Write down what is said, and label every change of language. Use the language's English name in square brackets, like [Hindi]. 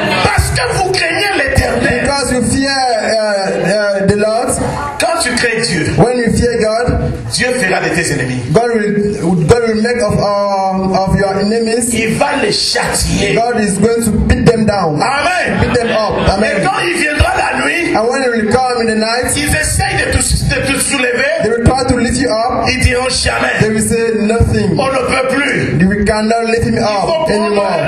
[French] Parce que vous craignez l'Éternel. [English] Because you fear the Lord. [French] Quand tu crains Dieu, [English] when you fear God, [French] Dieu fera de tes ennemis. [English] God will make of your enemies. [French] Il va les châtier. [English] God is going to beat them down. Amen. Beat them up. Amen. [French] Et quand il viendra la nuit, [English] and when he will come in the night, [French] ils essayent de te soulever. [English] They will try to lift you up. [French] Ils diront jamais. [English] They will say nothing. [French] On ne peut plus. [English] We cannot lift him up anymore.